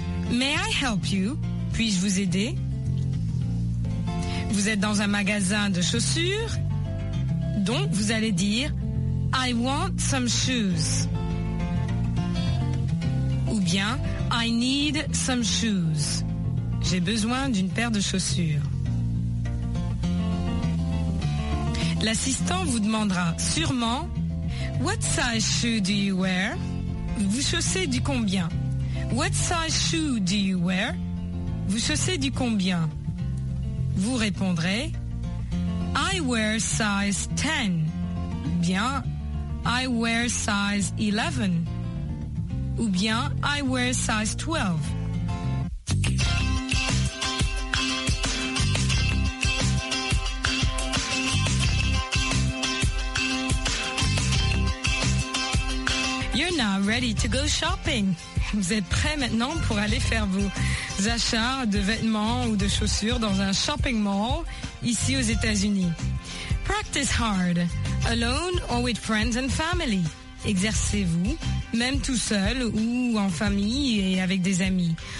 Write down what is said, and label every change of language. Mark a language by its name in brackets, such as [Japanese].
[English] May I help you? [French] Puis-je vous aider? » Vous êtes dans un magasin de chaussures, donc vous allez dire « [English] I want some shoes. [French] » Ou bien « [English] I need some shoes. [French] » J'ai besoin d'une paire de chaussures. L'assistant vous demandera sûrement « [English] What size shoe do you wear? [French] » Vous chaussez du combien? [English] What size shoe do you wear? [French] Vous chaussez du combien? Vous répondrez [English] I wear size 10. Bien, I wear size 11. Ou bien, I wear size 12. You're now ready to go shopping. [French] Vous êtes prêts maintenant pour aller faire vos achats de vêtements ou de chaussures dans un shopping mall ici aux États-Unis. [English] Practice hard, alone or with friends and family. [French] Exercez-vous, même tout seul ou en famille et avec des amis.